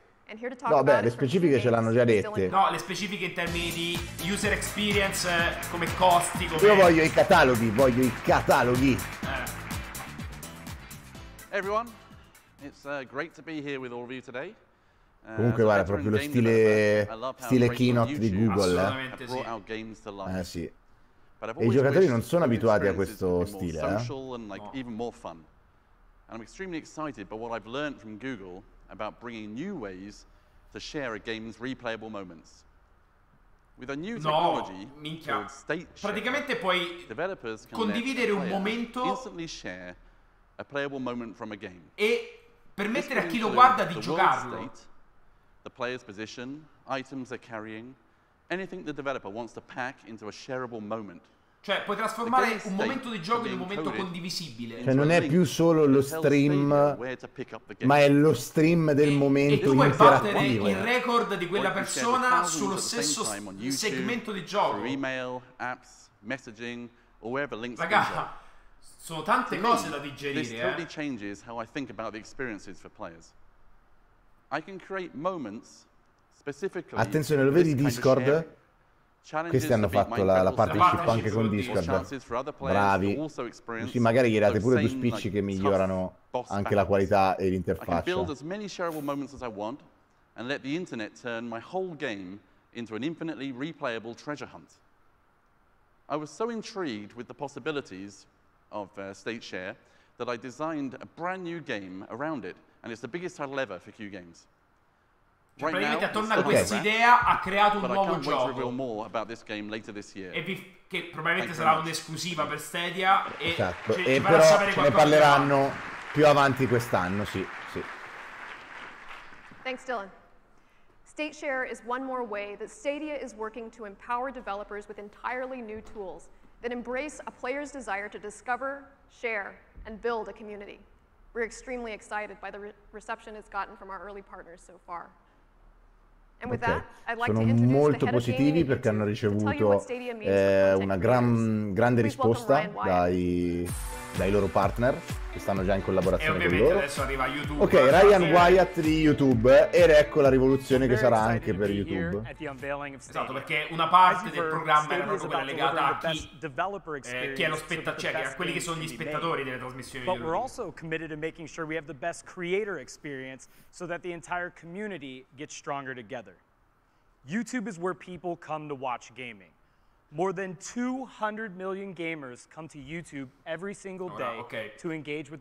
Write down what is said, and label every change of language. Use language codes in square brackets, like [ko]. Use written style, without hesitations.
[en] And here to talk about [it] le specifiche ce l'hanno già dette. No, le specifiche in termini di user experience, come costi, come... Io voglio i cataloghi, voglio i cataloghi. [en] Hey everyone, it's great to be here with all of you today. [it] Comunque guarda, proprio lo stile keynote di Google, Assolutamente sì. E i giocatori non sono abituati a questo stile, [en] And I'm extremely excited by what I've learned from Google about bringing new ways to share a game's replayable moments. With a new technology, [it] praticamente puoi condividere un momento [en] a playable moment from a game. [it] E permettere a chi lo guarda di giocarlo. [en] The player's position, items they're carrying, anything the developer wants to pack into a shareable moment. [it] Cioè, puoi trasformare un momento di gioco in un momento condivisibile. Cioè, non è più solo lo stream, ma è lo stream del momento interattivo. E tu puoi battere il record di quella persona sullo stesso segmento di gioco. [en] Email, apps, messaging, or wherever links. [it] Ragazzi, sono tante cose da digerire, eh. [en] This totally changes how I think about the experiences for players. I can create moments specifically. [it] Attenzione, lo vedi Discord? Questi hanno fatto la partnership anche con Discord. Bravi. Sì, magari gli date pure due spicci che migliorano anche la qualità e l'interfaccia. [en] I can build as many shareable moments as I want and let the internet turn my whole game into an infinitely replayable treasure hunt. I was so intrigued with the possibilities of State Share that I designed a brand new game around it. And it's the biggest title ever for Q Games. Right now, [it] attorno a questa idea ha creato un nuovo gioco. Che probabilmente sarà un'esclusiva per Stadia. Esatto. E però ne parleranno più avanti quest'anno, sì. [en] Thanks, Dylan. State Share is one more way that Stadia is working to empower developers with entirely new tools that embrace a player's desire to discover, share, and build a community. We're extremely excited by the reception it's gotten from our early partners so far. And with that, I'd like [it] sono molto positivi perché hanno ricevuto una grande risposta dai loro partner che stanno già in collaborazione con loro. Ok, Ryan Wyatt di YouTube, ed ecco la rivoluzione che sarà anche per YouTube. Esatto, perché una parte del programma era proprio quella legata a chi è lo spettatore, cioè a quelli che sono gli spettatori delle trasmissioni. [en] But we're also committed to making sure we have the best creator experience so that the entire community gets stronger together. YouTube is where people come to watch gaming. More than 200 million gamers come to YouTube every single day to engage with